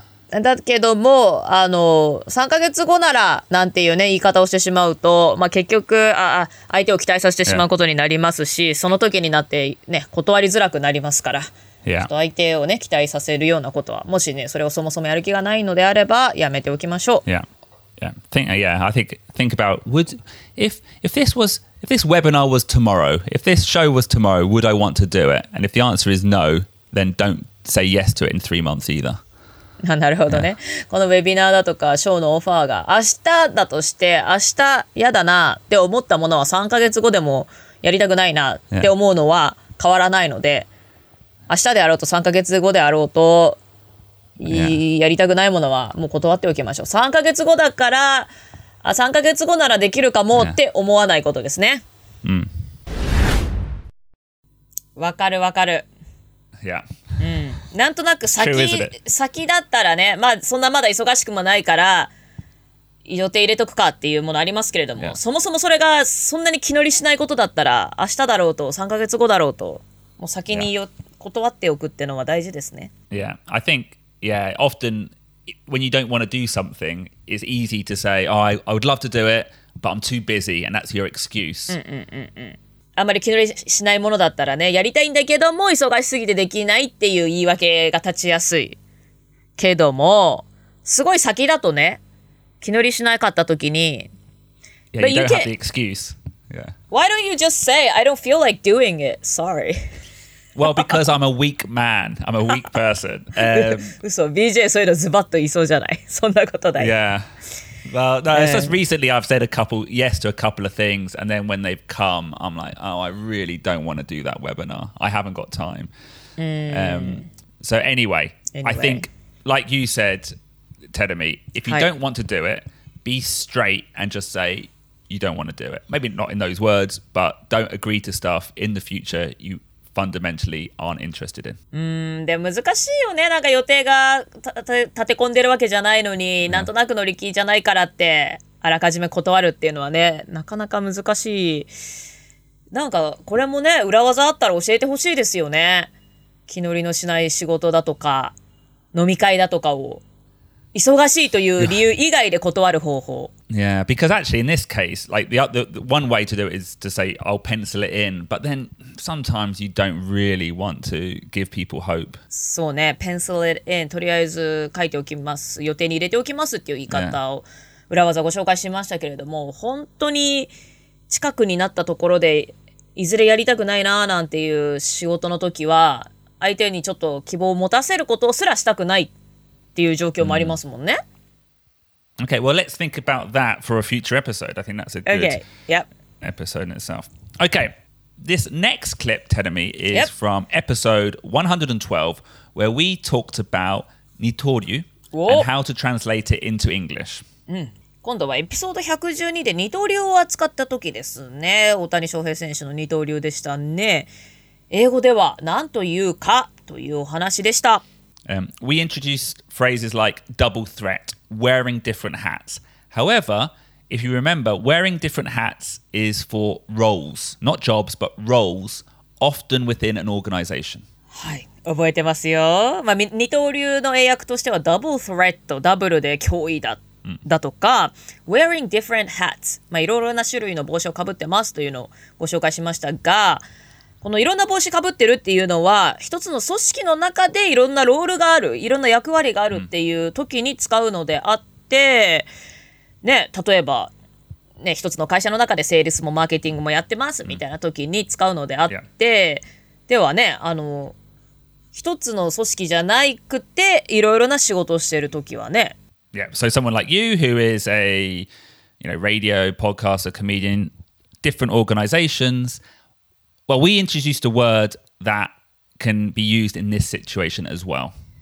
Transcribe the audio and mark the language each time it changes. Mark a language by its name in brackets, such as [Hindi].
[Japanese] だけども、3ヶ月後ならなんていうね、言い方をしてしまうと、まあ結局、相手を期待させてしまうことになりますし、その時になってね、断りづらくなりますから。 [English] Yeah. [Japanese] 相手をね期待させるようなことはもしねそれをそもそもやる気がないのであればやめておきましょう。 [English] Yeah, yeah. I think about if this webinar was tomorrow, if this show was tomorrow, would I want to do it? And if the answer is no, then don't say yes to it in three months either. [Japanese] なるほどね。 [English] Yeah. [Japanese] このウェビナーだとかショーのオファーが明日だとして明日嫌だなって思ったものは3ヶ月後でもやりたくないなって思うのは変わらないので。 [English] Yeah. [Japanese] 明日であろうと3ヶ月後であろうと、yeah. やりたくないものはもう断っておきましょう。3ヶ月後だから、3ヶ月後ならできるかもって思わないことですね。うん。わかるわかる。いや。うん。なんとなく先だったらね、まあそんなまだ忙しくもないから、予定入れとくかっていうものありますけれども、 [English] yeah. [Japanese] そもそもそれがそんなに気乗りしないことだったら、明日だろうと3ヶ月後だろうと、もう先に予定、 [English] yeah. [Japanese] 断っておくってのは大事ですね。 [English] Yeah, I think, yeah, often when you don't want to do something, it's easy to say, oh, I would love to do it, but I'm too busy, and that's your excuse. [Japanese] あまり気取りしないものだったらね、やりたいんだけども忙しすぎてできないっていう言い訳が立ちやすいけども、すごい先だとね、気取りしなかった時に、 [English] Yeah, but you don't have the excuse. Yeah. Why don't you just say, I don't feel like doing it, sorry. Well, because I'm a weak man. I'm a weak person. So, [Japanese] BJ, そういうのズバッと言いそうじゃない? そんなことだよ。 [English] Yeah. Well, no, it's just recently I've said a couple, yes to a couple of things, and then when they've come, I'm like, oh, I really don't want to do that webinar. I haven't got time. So anyway, I think, like you said, Terumi, if you don't want to do it, be straight and just say,you don't want to do it. Maybe not in those words, but don't agree to stuff in the future you... fundamentally aren't interested in. [Japanese] で難しいよね。なんか予定が立て込んでるわけじゃないのに、なんとなく乗り気じゃないからってあらかじめ断るっていうのはね、なかなか難しい。なんかこれもね、裏技あったら教えてほしいですよね。気乗りのしない仕事だとか飲み会だとかを忙しいという理由以外で断る方法。 [English] Yeah, because actually in this case, like the one way to do it is to say, I'll pencil it in. But then sometimes you don't really want to give people hope. [Japanese] そうね、 [English] pencil it in. [Japanese] とりあえず書いておきます。予定に入れておきますっていう言い方を、 [English] yeah. [Japanese] 裏技ご紹介しましたけれども、本当に近くになったところで、いずれやりたくないなーなんていう仕事の時は、相手にちょっと希望を持たせることすらしたくないっていう状況もありますもんね。 Mm. [English] Okay, well, let's think about that for a future episode. I think that's a good episode in itself. Okay, this next clip, Terumi, is from episode 112, where we talked about Nitoryu and how to translate it into English. [Japanese] 今度はエピソード112で Nitoryu を扱った時ですね。大谷翔平選手の Nitoryu でしたね。英語では何というかというお話でした。 [English] We introduced phrases like double threat, wearing different hats. However, if you remember, wearing different hats is for roles, not jobs, but roles, often within an organization. [Japanese] はい、覚えてますよ。まあ、二刀流の英訳としては、ダブルスレッド、ダブルで脅威だ、だとか、 [English] wearing different hats、 [Japanese] まあ、いろいろな種類の帽子をかぶってますというのをご紹介しましたが、このいろんな帽子かぶってるっていうのは、一つの組織の中でいろんなロールがある、いろんな役割があるっていう時に使うのであって、ね、例えば、ね、一つの会社の中でセールスもマーケティングもやってますみたいな時に使うのであって、ではね、あの、一つの組織じゃないくて、いろいろな仕事をしてる時はね。 [English] Yeah, so someone like you who is a, you know, radio, podcaster, comedian, different organizations. Well, we introduced a word that can be used in this situation as well.